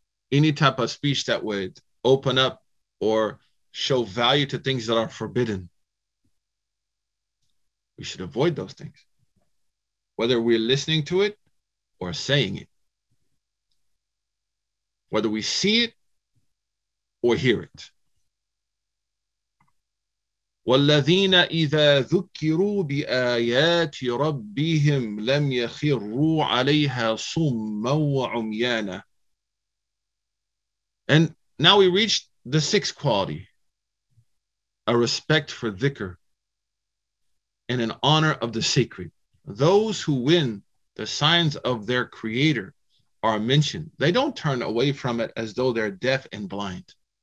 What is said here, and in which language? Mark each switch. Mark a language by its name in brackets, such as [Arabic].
[English] Any type of speech that would open up or show value to things that are forbidden. We should avoid those things, whether we're listening to it or saying it. Whether we see it or hear it. [Arabic] والذين إذا ذكروا بآيات ربهم لم يخروا عليها صما وعميانا. [English] And now we reach the sixth quality, a respect for dhikr and an honor of the sacred. Those who win the signs of their creator are mentioned. They don't turn away from it as though they're deaf and blind.